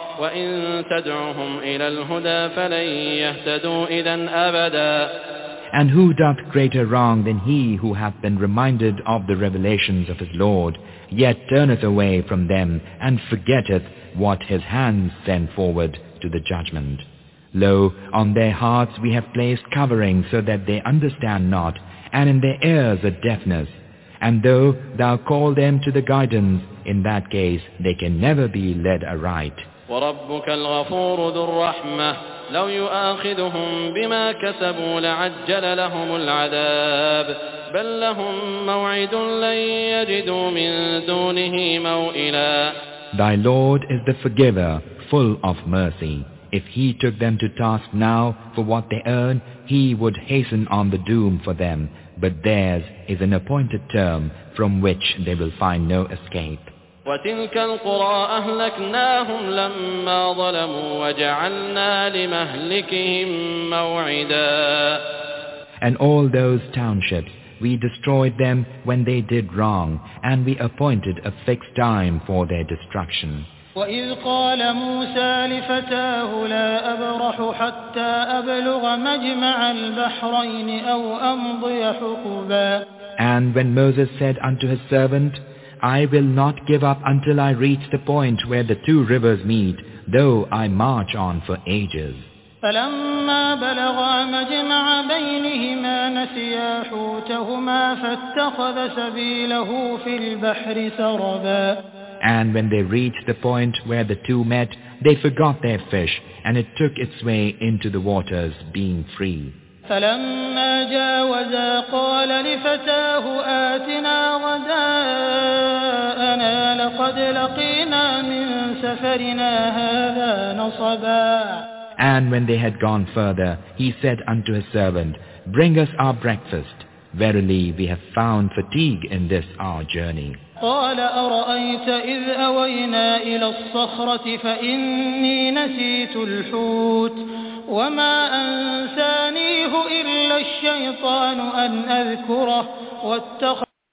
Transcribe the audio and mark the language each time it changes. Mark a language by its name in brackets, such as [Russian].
[Arabic] وإن تدعهم إلى الهدى فلن يهتدوا إذا أبدا. [English] And who doth greater wrong than he who hath been reminded of the revelations of his Lord, yet turneth away from them and forgetteth what his hands send forward to the judgment? Lo, on their hearts we have placed covering so that they understand not, and in their ears a deafness. And though thou call them to the guidance, in that case they can never be led aright. [Arabic] وربك الغفور ذو الرحمة لو يؤاخذهم بما كسبوا لعجل لهم العذاب بل لهم موعد لن يجدوا من دونه موئلا. [English] Thy Lord is the forgiver, full of mercy. If he took them to task now for what they earn, he would hasten on the doom for them, but theirs is an appointed term from which they will find no escape. [Arabic] وتلك القرى أهلكناهم لما ظلموا وجعلنا لمهلكهم موعدا. [English] And all those townships, we destroyed them when they did wrong, and we appointed a fixed time for their destruction. [Arabic] وإذ قال موسى لفتاه لا أبرح حتى أبلغ مجمع البحرين أو أمضي حقبا. [English] And when Moses said unto his servant, I will not give up until I reach the point where the two rivers meet, though I march on for ages. [Arabic] فلما بلغا مجمع بينهما نسيا حوتهما فاتخذ سبيله في البحر سربا. [English] And when they reached the point where the two met, they forgot their fish, and it took its way into the waters, being free. [Arabic] فلما جاوزا قال لفتاه آتنا غداءنا لقد لقينا من سفرنا هذا نصبا. [English] And when they had gone further, he said unto his servant, Bring us our breakfast. Verily, we have found fatigue in this our journey. [Arabic] قال أرأيت إذ أوينا إلى الصخرة فإني نسيت الحوت وما أنسانيه إلا الشيطان أن أذكره واتخذ.